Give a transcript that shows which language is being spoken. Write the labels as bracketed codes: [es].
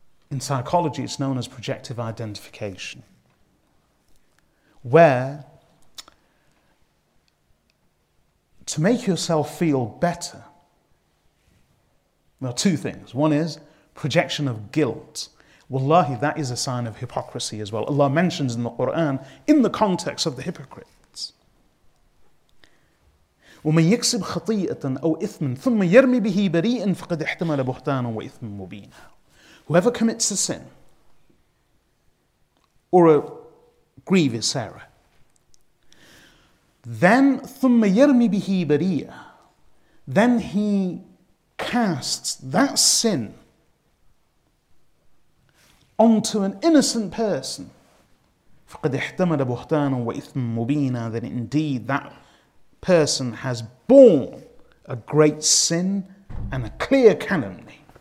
[en] In psychology, it's known as projective identification, where to make yourself feel better, there are two things. One is projection of guilt. Wallahi, that is a sign of hypocrisy as well. Allah mentions in the Quran, in the context of the hypocrites, [ar] وَمَنْ يَكْسِبْ خَطِيئَةً أَوْ إِثْمًا ثُمَّ يَرْمِي بِهِ بَرِيئًا فَقَدْ احْتَمَلَ بُهْتَانًا وَإِثْمًا مُبِينًا. [en] Whoever commits a sin or a grievous error, then [ar] ثُمَّ يَرْمِي بِهِ بَرِيئًا, [en] then he casts that sin onto an innocent person, [ar] فَقَدْ احْتَمَلَ بُهْتَانًا وَإِثْمًا مُبِينًا, [en] then indeed that person has borne a great sin and a clear calumny.